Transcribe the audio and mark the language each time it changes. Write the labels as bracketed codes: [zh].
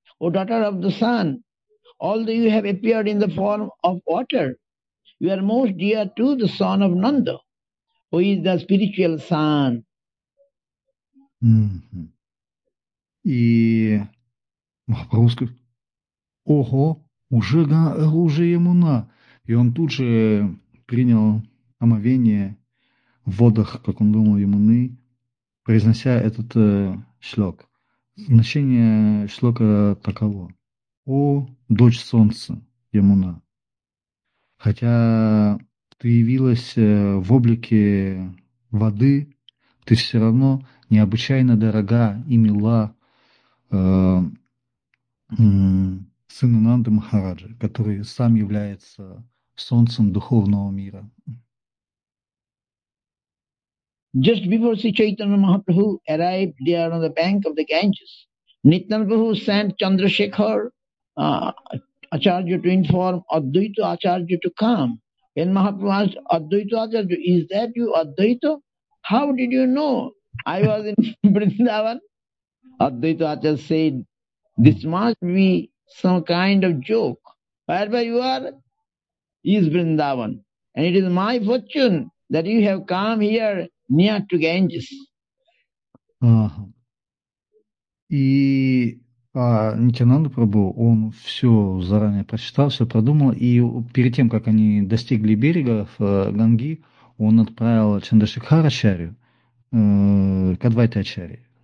[en] O daughter of the sun, although you have appeared in the form of water, you are most dear to the son of Nanda, who is the spiritual son. [ru] И Махапрабху сказал, ого, уже Ямуна. И он тут же принял омовение в водах, как он думал, Ямуны, произнося этот шлок. Значение шлока таково. О, дочь солнца, Ямуна, хотя ты явилась в облике воды, ты все равно необычайно дорога и мила сыну Нанды Махараджи, который сам является солнцем духовного мира. [en] Just before Sri Chaitanya Mahaprabhu arrived there on the bank of the Ganges, Nityananda Prabhu sent Chandrasekhar Acharya to inform Advaita Acharya to come. When Mahaprabhu asked Advaita Acharya, is that you, Advaita? How did you know I was in Vrindavan? Advaita Acharya said, this must be some kind of joke. Wherever you are, is Vrindavan. And it is my fortune that you have come here near to Ganges. [ru] Нитянанда Прабху, он все заранее прочитал, все продумал, и перед тем, как они достигли берега Ганги, он отправил Чандрашекхарачарью к Адвайте Ачарье.